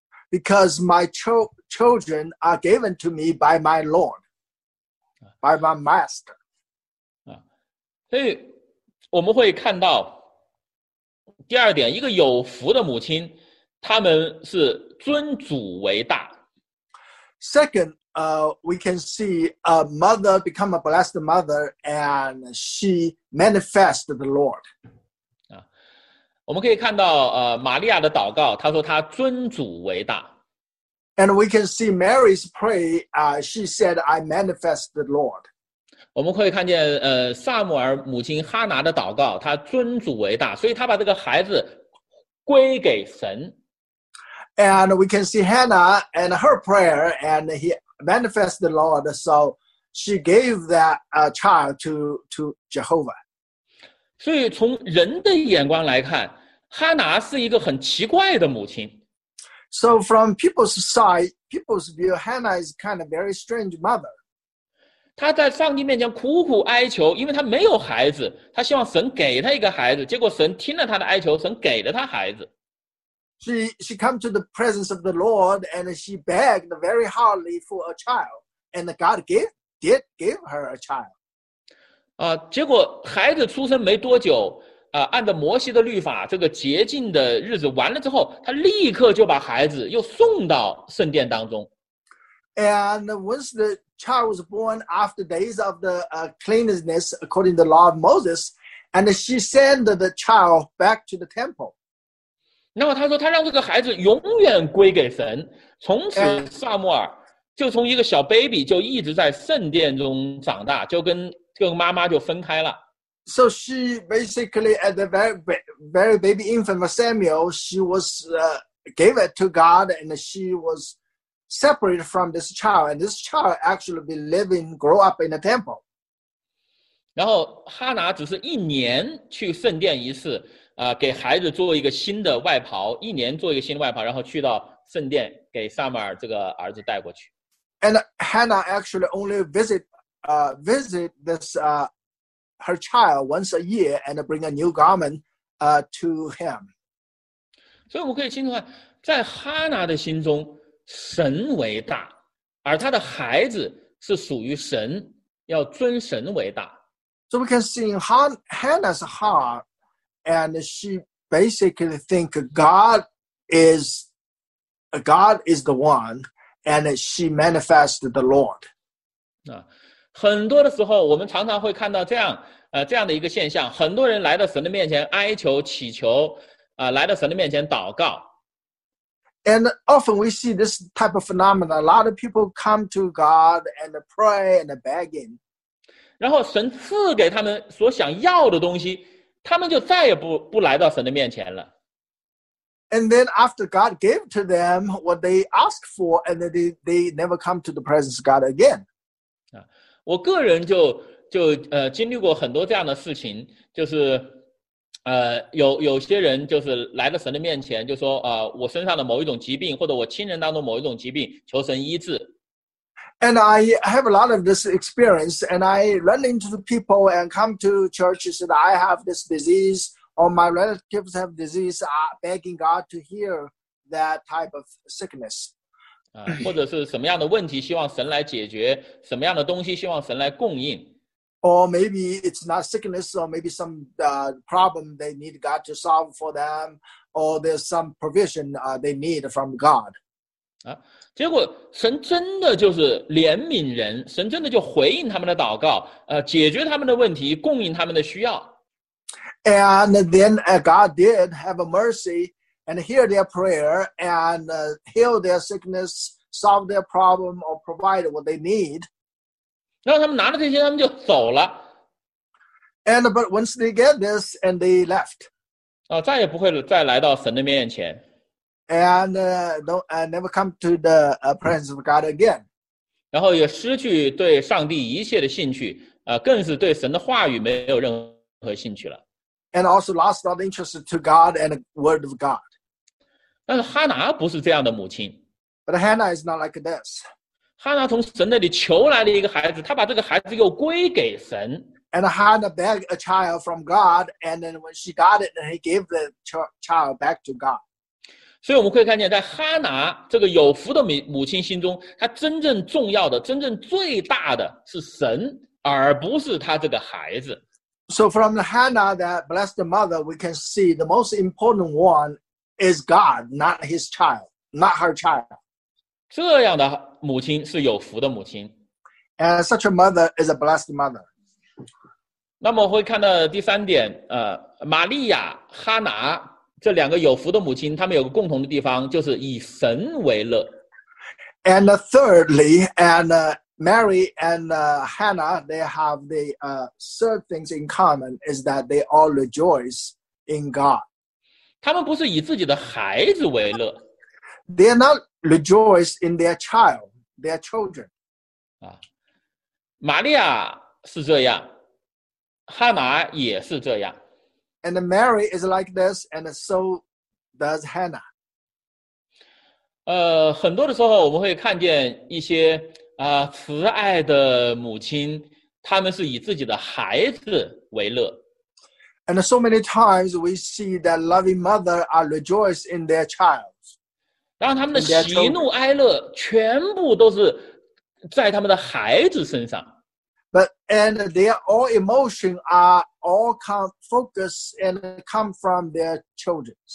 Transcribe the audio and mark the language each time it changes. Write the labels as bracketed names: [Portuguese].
[English] Because my children are given to me by my Lord, by my master. [Chinese] 所以我们会看到第二点，一个有福的母亲，他们是尊主为大。 [English] Second, we can see a mother become a blessed mother and she manifests the Lord. [Chinese] 我们可以看到玛利亚的祷告，她说她尊主为大。 [English] And we can see Mary's prayer, she said, I manifest the Lord. [Chinese] 我们可以看见萨母尔母亲哈拿的祷告，她尊主为大，所以她把这个孩子归给神。 [English] And we can see Hannah and her prayer, and he manifested the Lord, so she gave that child to Jehovah. [Chinese] 所以从人的眼光来看，哈拿是一个很奇怪的母亲。 [English] So from people's side, people's view, Hannah is kind of very strange mother. [Chinese] 她在上帝面前苦苦哀求，因为她没有孩子，她希望神给她一个孩子，结果神听了她的哀求，神给了她孩子。 [English] She come to the presence of the Lord and she begged very hardly for a child, and God did give her a child. [Chinese] 结果孩子出生没多久，按照摩西的律法，这个洁净的日子完了之后，他立刻就把孩子又送到圣殿当中。 [English] And once the child was born after days of the cleanliness according to the law of Moses, and she sent the child back to the temple. [Chinese] 那么他说他让这个孩子永远归给神，从此撒母耳就从一个小 baby 就一直在圣殿中长大，就跟妈妈就分开了。 [English] So she basically at the very, very baby infant Samuel, she was gave it to God and she was separated from this child. And this child actually be living, grow up in the temple. [Chinese] 然后哈拿只是一年去圣殿一次，给孩子做一个新的外袍，一年做一个新的外袍，然后去到圣殿给撒母耳这个儿子带过去。 [English] And Hannah actually only visit this her child once a year and bring a new garment to him. [Chinese] 所以我们可以清楚看，在哈拿的心中，神为大，而他的孩子是属于神，要尊神为大。 [English] So we can see in Hannah's heart, and she basically think God is the one, and she manifested the Lord. [Chinese] 很多的时候，我们常常会看到这样的一个现象，很多人来到神的面前哀求祈求，来到神的面前祷告。 [English] And often we see this type of phenomenon. A lot of people come to God and pray and begging. [Chinese] 然后神赐给他们所想要的东西，他们就再也不来到神的面前了。 [English] And then after God gave to them what they asked for, and they never come to the presence of God again. [Chinese] 我个人就经历过很多这样的事情，就是有些人就是来到神的面前，就说我身上的某一种疾病，或者我亲人当中某一种疾病，求神医治。 [English] And I have a lot of this experience, and I run into the people and come to churches that I have this disease or my relatives have disease, begging God to heal that type of sickness. [Chinese] 或者是什么样的问题希望神来解决，什么样的东西希望神来供应。 [English] Or maybe it's not sickness, or maybe some problem they need God to solve for them, or there's some provision they need from God. [Chinese] 结果神真的就是怜悯人，神真的就回应他们的祷告，解决他们的问题，供应他们的需要。 [English] And then God did have a mercy and hear their prayer and heal their sickness, solve their problem, or provide what they need. [Chinese] 然后他们拿了这些，他们就走了。 [English] And but once they get this, and they left. [Chinese] 再也不会再来到神的面前。 [English] And never come to the presence of God again. [Chinese] 然后也失去对上帝一切的兴趣，更是对神的话语没有任何兴趣了。 [English] And also lost all interest to God and the word of God. [Chinese] 但是哈拿不是这样的母亲。 [English] But Hannah is not like this. [Chinese] 哈拿从神那里求来了一个孩子，她把这个孩子又归给神。 [English] And Hannah begged a child from God, and then when she got it, he gave the child back to God. [Chinese] 所以我们可以看见，在哈拿这个有福的母亲心中，她真正重要的、真正最大的是神，而不是她这个孩子。 [English] So from Hannah, that blessed mother, we can see the most important one is God, not his child, not her child. [Chinese] 这样的母亲是有福的母亲。 [English] And such a mother is a blessed mother. [Chinese] 那么会看到第三点，玛利亚、哈拿这两个有福的母亲，她们有个共同的地方，就是以神为乐。 [English] And thirdly, and Mary and Hannah, they have the third things in common is that they all rejoice in God. [Chinese] 她们不是以自己的孩子为乐。 [English] They are not rejoice in their child, their children. [Chinese] 啊，玛利亚是这样。哈拿也是这样。 [English] And Mary is like this, and so does Hannah. [Chinese] 很多的时候我们会看见一些慈爱的母亲，他们是以自己的孩子为乐。 [English] And so many times we see that loving mother are rejoiced in their child. [Chinese] 让他们的喜怒哀乐全部都是在他们的孩子身上。 [English] But and their all emotion are all come focus and come from their children.